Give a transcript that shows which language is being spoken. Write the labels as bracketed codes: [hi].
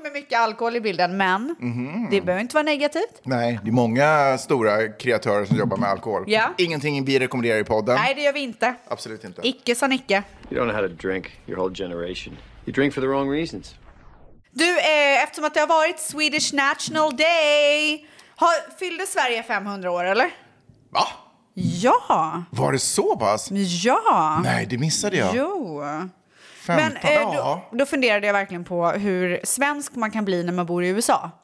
[sv] med mycket alkohol i bilden. Men det behöver inte vara negativt. Nej, det är många stora kreatörer som jobbar med alkohol. [en] Yeah. [sv] Ingenting vi rekommenderar i podden. Nej, det gör vi inte. Absolut inte. Icke sa Nicke. [en] You don't know how to drink, your whole generation. You drink for the wrong reasons. [sv] Du, eftersom att det har varit Swedish National Day, fyllde Sverige 500 år, eller? Va? Ja. Var det så pass? Ja. Nej, det missade jag. Jo. 15 Men, dagar. Då funderade jag verkligen på hur svensk man kan bli när man bor i USA.